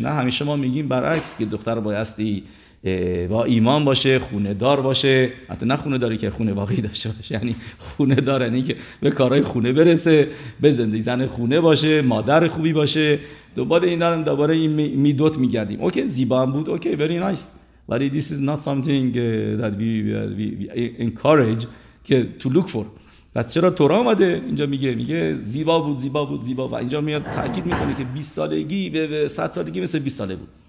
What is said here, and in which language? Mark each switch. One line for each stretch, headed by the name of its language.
Persian: نه، همیشه ما میگیم برعکس، که دختر بایستی با ایمان باشه، خونه دار باشه. حتی نه خونه داری که خونه واقعی داشته باشه، یعنی خونه دار یعنی که به کارهای خونه برسه، به زندگی زن خونه باشه، مادر خوبی باشه. دوباره این دارم، دوباره این میدوت میگردیم. اوکی زیبا هم بود، اوکی
English: very nice، ولی this is not something that we encourage که to look for.
Persian: پس چرا تورا آمده اینجا میگه زیبا بود، زیبا بود، زیبا بود. اینجا میاد تاکید میکنه که 20 سالگی به 100 سالگی مثل 20 ساله بود.